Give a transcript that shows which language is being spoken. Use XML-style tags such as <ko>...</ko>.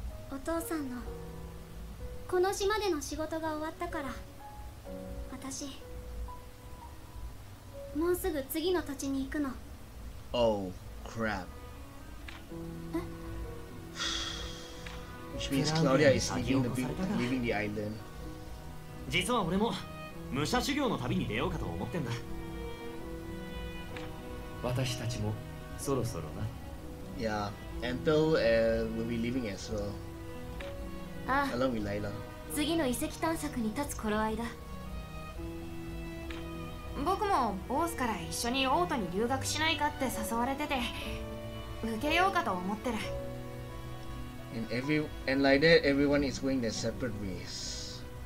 <ja>お父さんのこの島での仕事が終わったから、私もうすぐ次の土地に行くの。</ja> <en>Oh crap. Which means Claudia is leaving the island.</en> <ja>実は俺も武者修行の旅に出ようかと思ってんだ。私たちもそろそろな。</ja> <en>Yeah, and Phil will be leaving as well. Along with Layla.</en> <ja>次の遺跡探索に立つ頃合いだ。僕もボースから一緒にオートに留学しないかって誘われてて受けようかと思ってる。</ja> <en>And like that, everyone is going their separate ways.</en>